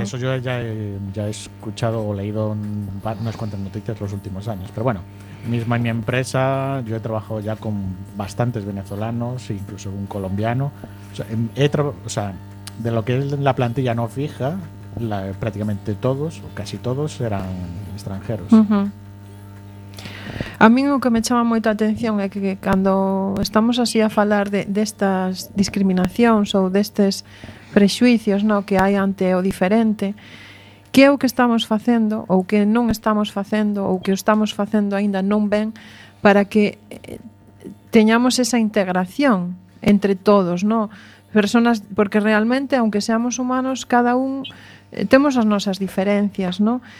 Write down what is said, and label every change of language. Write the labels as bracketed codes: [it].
[es] Eso yo ya he escuchado o leído unas cuantas noticias los últimos años, pero bueno. Misma en mi empresa, yo he trabajado ya con bastantes venezolanos, incluso un colombiano. O sea, de lo que es la plantilla no fija, prácticamente todos, o casi todos, eran extranjeros. [gl] Uh-huh. A mí lo que me chama moito a atención é que cando estamos así a falar destas discriminacións ou destes prexuicios, ¿no?, que hai ante o diferente, que é o que estamos facendo ou que non estamos facendo ou que estamos facendo aínda non ben para que teñamos esa integración entre todos, ¿no? [es] Personas, porque realmente, aunque seamos humanos, [gl] cada un temos as nosas diferencias, [es] ¿no?